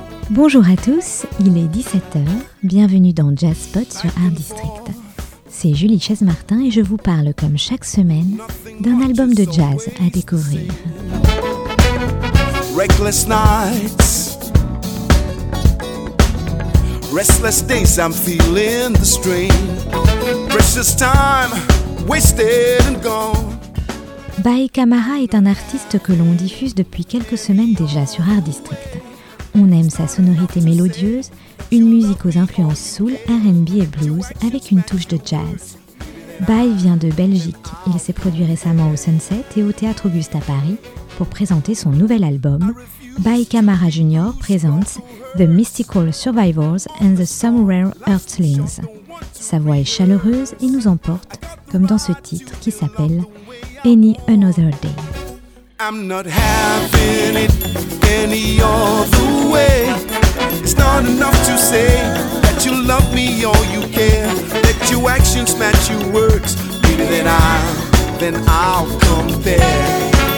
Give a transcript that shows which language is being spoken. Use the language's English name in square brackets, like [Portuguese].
[French] Bonjour à tous, il est 17h, bienvenue dans Jazzpot sur Art District. C'est Julie Chaise-Martin et je vous parle comme chaque semaine d'un album de jazz à découvrir. [English] Reckless nights, restless days, I'm feeling the strain. Precious time, wasted and gone. [French] Bae Kamara est un artiste que l'on diffuse depuis quelques semaines déjà sur Art District. On aime sa sonorité mélodieuse, une musique aux influences soul, R&B et blues avec une touche de jazz. Bae vient de Belgique. Il s'est produit récemment au Sunset et au Théâtre Auguste à Paris pour présenter son nouvel album. Bae Kamara Jr. présente The Mystical Survivors and the Somewhere Earthlings. Sa voix est chaleureuse et nous emporte, comme dans ce titre qui s'appelle Any Another Day. [English] I'm not having it any other way. It's not enough to say that you love me or you care. Let your actions match your words. Maybe then I'll come there.